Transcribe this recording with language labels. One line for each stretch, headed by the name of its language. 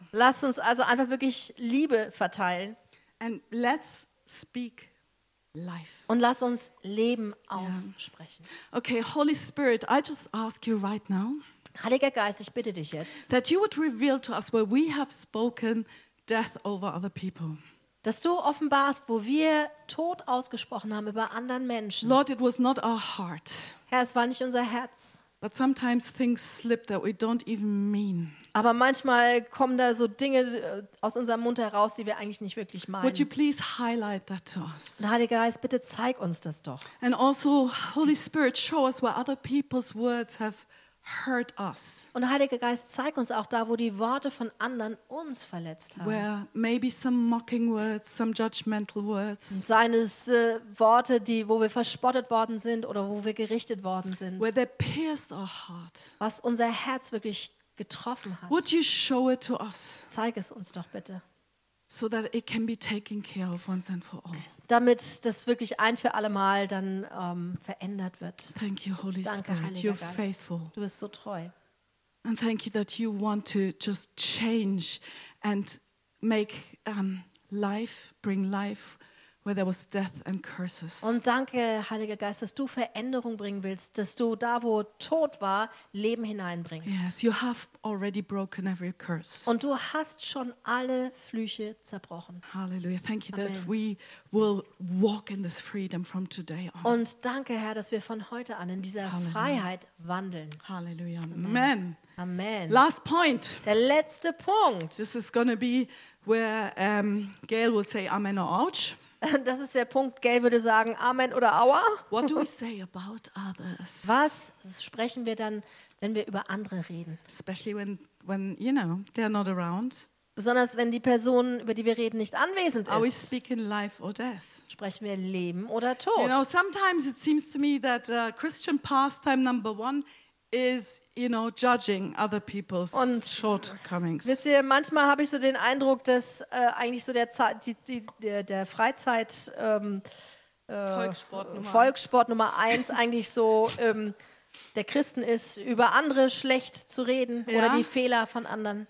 German: Lasst uns also einfach wirklich Liebe verteilen.
English: And let's speak life.
German: Und lasst uns Leben aussprechen.
English: Yeah. Okay, Holy Spirit, I just ask you right now.
German: Heiliger Geist, ich bitte dich jetzt,
English: that you would reveal to us where we have spoken death over other people.
German: Dass du offenbarst, wo wir Tod ausgesprochen haben über anderen Menschen.
English: Lord, it was not our heart.
German: Herr, es war nicht unser Herz.
English: But sometimes things slip that we don't even mean.
German: Aber manchmal kommen da so Dinge aus unserem Mund heraus, die wir eigentlich nicht wirklich meinen.
English: Would you please highlight that to us?
German: Heiliger Geist, bitte zeig uns das doch.
English: And also, Holy Spirit, show us where other people's words have hurt us.
German: Und Heiliger Geist, zeig uns auch da, wo die Worte von anderen uns verletzt haben.
English: Where maybe some mocking words, some judgmental words.
German: Seien es Worte, die, wo wir verspottet worden sind oder wo wir gerichtet worden sind.
English: Where they pierced our heart.
German: Was unser Herz wirklich getroffen hat.
English: Would you show it to us?
German: Zeig es uns doch bitte.
English: So that it can be taken care of once and for all.
German: Damit das wirklich ein für alle Mal dann verändert wird.
English: Thank you, Holy
German: Danke,
English: Spirit.
German: Heiliger
English: You're
German: Geist.
English: Faithful.
German: Du bist so treu.
English: And thank you that you want to just change and make life bring life where there was death and curses.
German: Und danke, Heiliger Geist, dass du Veränderung bringen willst, dass du da, wo Tod war, Leben hineinbringst.
English: Yes, you have already broken every curse.
German: Und du hast schon alle Flüche zerbrochen. Hallelujah.
English: Thank you that we will walk in this freedom from today on.
German: Und danke, Herr, dass wir von heute an in dieser Halleluja. Freiheit wandeln.
English: Hallelujah. Amen. Amen. Last point.
German: Der letzte Punkt.
English: This is going to be where Gail will say amen or ouch.
German: Das ist der Punkt, Gail würde sagen, Amen oder Aua.
English: What do we say about others?
German: Was sprechen wir dann, wenn wir über andere reden?
English: Especially when you know, they're not around.
German: Besonders wenn die Person, über die wir reden, nicht anwesend ist.
English: Are we speaking life or death?
German: Sprechen wir Leben oder Tod?
English: You know, sometimes it seems to me that Christian pastime number one is, you know, judging other people's
German: und
English: shortcomings.
German: Wisst ihr, manchmal habe ich so den Eindruck, dass eigentlich so der Freizeit Volkssport Nummer eins eigentlich so der Christen ist, über andere schlecht zu reden oder die Fehler von anderen.